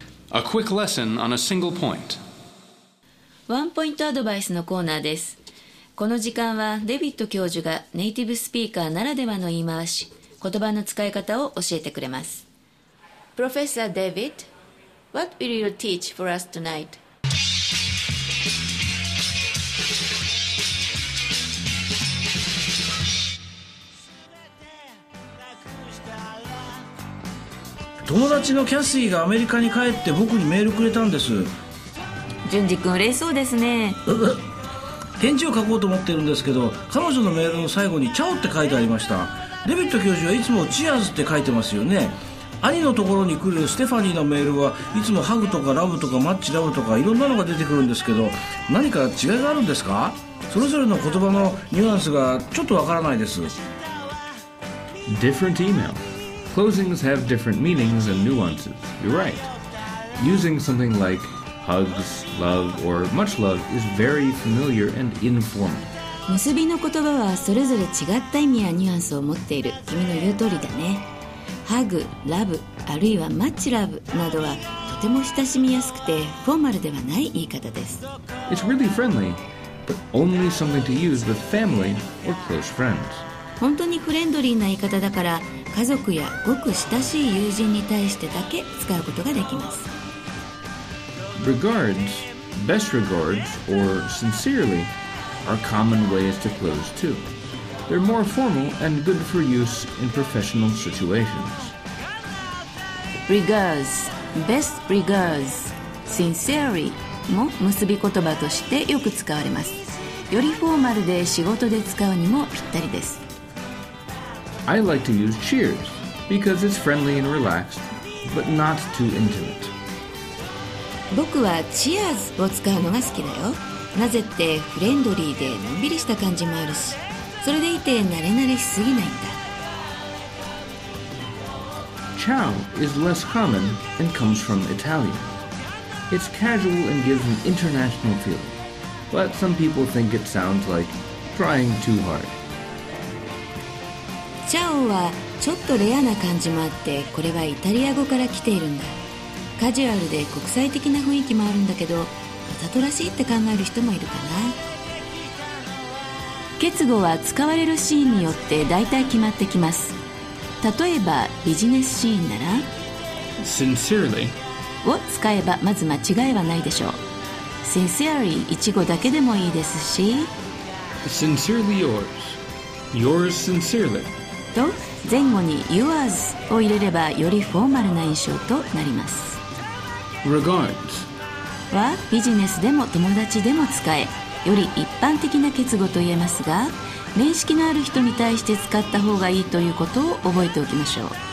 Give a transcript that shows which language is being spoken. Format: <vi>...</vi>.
<en>A quick lesson on a single point.</en> <ja>ワンポイントアドバイスのコーナーです。この時間はデビット教授がネイティブスピーカーならではの言い回し、言葉の使い方を教えてくれます。</ja> <en>Professor David, what will you teach for us tonight?</en> <ja>友達のキャッシーがアメリカに帰って僕にメールくれたんです。純次君嬉しそうですね。返事を書こうと思ってるんですけど、彼女のメールの最後にチャオって書いてありました。デビット教授はいつもチアーズって書いてますよね。兄のところに来るステファニーのメールはいつもハグとかラブとかマッチラブとかいろんなのが出てくるんですけど、何か違いがあるんですか？それぞれの言葉のニュアンスがちょっとわからないです。</ja> <en>Different emailClosings have different meanings and nuances. You're right. Using something like hugs, love, or much love is very familiar and informal.</en> <ja>結びの言葉はそれぞれ違った意味やニュアンスを持っている。君の言う通りだね。ハグ、ラブ、あるいはマッチラブなどはとても親しみやすくてフォーマルではない言い方です。</ja> <en>It's really friendly, but only something to use with family or close friends.</en> <ja>本当にフレンドリーな言い方だから、家族やごく親しい友人に対してだけ使うことができます。</ja> <en>Regards, best regards, or sincerely are common ways to close too. They're more formal and good for use in professional situations. Regards, best regards, sincerely</en> <ja>も結び言葉としてよく使われます。よりフォーマルで仕事で使うにもぴったりです。</ja> <en>I like to use cheers because it's friendly and relaxed, but not too intimate.</en> <ja>僕はチアーズを使うのが好きだよ。なぜってフレンドリーでのんびりした感じもあるし、それでいて慣れ慣れしすぎないんだ。</ja> <en>Ciao is less common and comes from Italian. It's casual and gives an international feel, but some people think it sounds like trying too hard.</en> <ja>チャオはちょっとレアな感じもあって、これはイタリア語から来ているんだ。カジュアルで国際的な雰囲気もあるんだけど、わざとらしいって考える人もいるかな。結語は使われるシーンによってだいたい決まってきます。例えばビジネスシーンなら</ja> <en>Sincerely</en> <ja>を使えばまず間違いはないでしょう。Sincerely 一語だけでもいいですし、</ja> <en>Sincerely yours, yours sincerely</en> <ja>と前後に yours を入れればよりフォーマルな印象となります。</ja> <en>Regards</en> <ja>はビジネスでも友達でも使え、より一般的な結語と言えますが、面識のある人に対して使った方がいいということを覚えておきましょう。</ja>